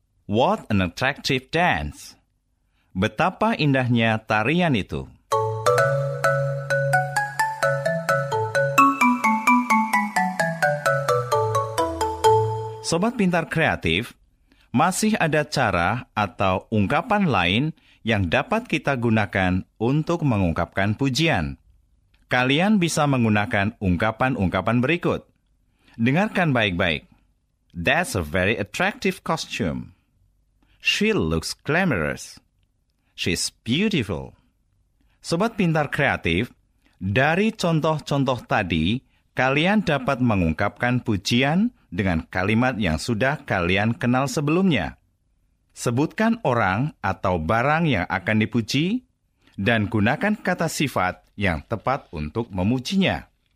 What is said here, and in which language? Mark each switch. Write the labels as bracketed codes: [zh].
[en] What an attractive dance. [id] Betapa indahnya tarian itu. Sobat Pintar Kreatif, masih ada cara atau ungkapan lain yang dapat kita gunakan untuk mengungkapkan pujian. Kalian bisa menggunakan ungkapan-ungkapan berikut. Dengarkan baik-baik. [en] That's a very attractive costume. She looks glamorous. She's beautiful. [id] Sobat Pintar Kreatif, dari contoh-contoh tadi, kalian dapat mengungkapkan pujian dengan kalimat yang sudah kalian kenal sebelumnya. Sebutkan orang atau barang yang akan dipuji dan gunakan kata sifat yang tepat untuk memujinya.